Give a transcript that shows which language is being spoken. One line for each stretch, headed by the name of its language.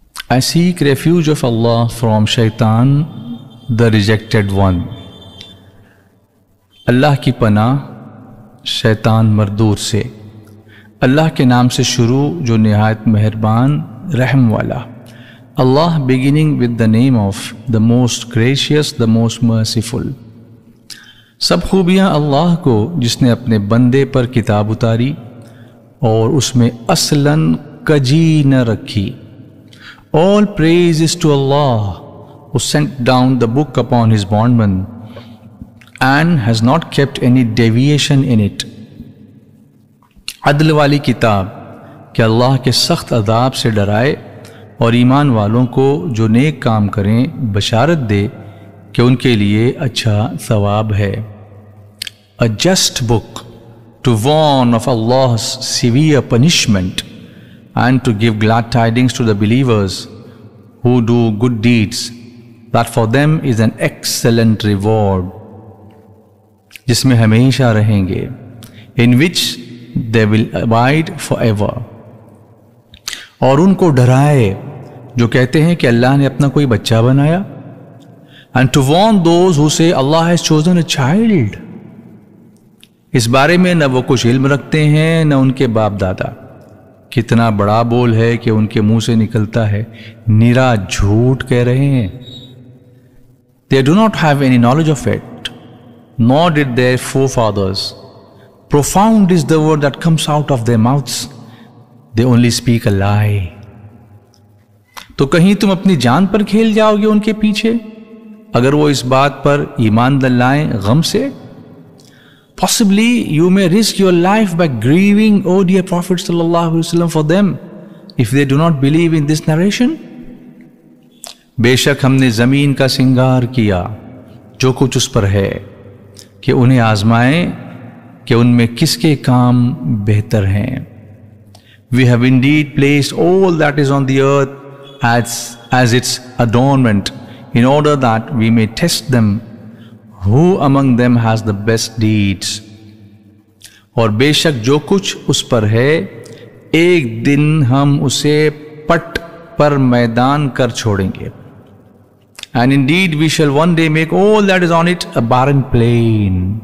English: I seek refuge of Allah from Shaitan, the rejected one.
Urdu: اللہ کی پناہ شیطان مردود سے. اللہ کے نام سے شروع جو نہایت مہربان رحم والا.
English: Allah beginning with the name of the most gracious, the most merciful.
Urdu: سب خوبیاں اللہ کو جس نے اپنے بندے پر کتاب اتاری اور اس میں اصلاً کجی نہ رکھی.
English: All praise is to Allah who sent down the book upon his bondman and has not kept any deviation in it.
Urdu: عدل والی کتاب کہ اللہ کے سخت عذاب سے ڈرائے اور ایمان والوں کو جو نیک کام کریں بشارت دے کہ ان کے لیے اچھا ثواب ہے.
English: A just book to warn of Allah's severe punishment and to give glad tidings to the believers who do good deeds that for them is an excellent reward
Urdu: جس میں ہمیشہ رہیں گے
English: in which they will abide forever
Urdu: اور ان کو ڈرائے جو کہتے ہیں کہ اللہ نے اپنا کوئی بچہ بنایا
English: and to warn those who say Allah has chosen a child
Urdu: اس بارے میں نہ وہ کچھ علم رکھتے ہیں نہ ان کے باپ دادا. کتنا بڑا بول ہے کہ ان کے منہ سے نکلتا ہے نیرا جھوٹ کہہ رہے ہیں.
English: They do not have any knowledge of it nor did their forefathers Profound is the word that comes out of their mouths. They only speak a lie.
Urdu: تو کہیں تم اپنی جان پر کھیل جاؤ گے ان کے پیچھے اگر وہ اس بات پر ایمان لائیں غم سے.
English: Possibly you may risk your life by grieving, oh dear Prophet صلی اللہ علیہ وسلم, for them if they do not believe in this narration.
Urdu: بے شک ہم نے زمین کا سنگار کیا جو کچھ اس پر ہے کہ انہیں آزمائیں کہ ان میں کس کے کام بہتر ہیں.
English: We have indeed placed all that is on the earth as its adornment in order that we may test them who among them has the best deeds.
Urdu: اور بے شک جو کچھ اس پر ہے ایک دن ہم اسے پٹ پر میدان کر چھوڑیں گے.
English: And indeed we shall one day make all that is on it a barren plain.